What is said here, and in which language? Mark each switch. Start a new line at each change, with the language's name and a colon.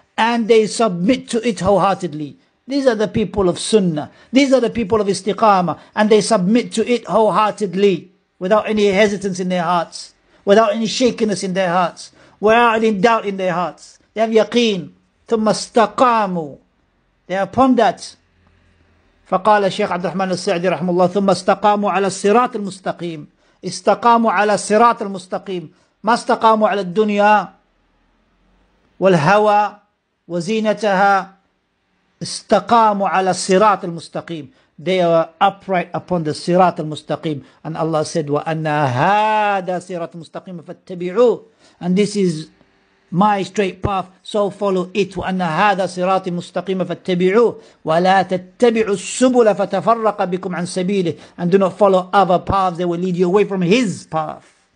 English: And they submit to it wholeheartedly. These are the people of sunnah. These are the people of istiqamah. And they submit to it wholeheartedly. Without any hesitance in their hearts. Without any shakiness in their hearts. Without any doubt in their hearts. They have yaqeen.
Arabic: ثُمَّ اسْتَقَامُوا.
English: They are upon that.
Arabic: فقال الشيخ عبد الرحمن السعدي رحمه الله ثم استقاموا على الصراط المستقيم استقاموا على الصراط المستقيم ما استقاموا على الدنيا والهوى وزينتها استقاموا على الصراط المستقيم.
English: They were upright upon the صراط المستقيم, and Allah said
Arabic: وأن هذا صراط مستقيم فاتبعوه,
English: and this is my straight path, so follow it.
Arabic: وَأَنَّ هَذَا صِرَاطِ مُسْتَقِيمَ فَاتَّبِعُوهُ وَلَا تَتَّبِعُوا السُّبُلَ فَتَفَرَّقَ بِكُمْ عَنْ سَبِيلِهِ,
English: and do not follow other paths, they will lead you away from his path.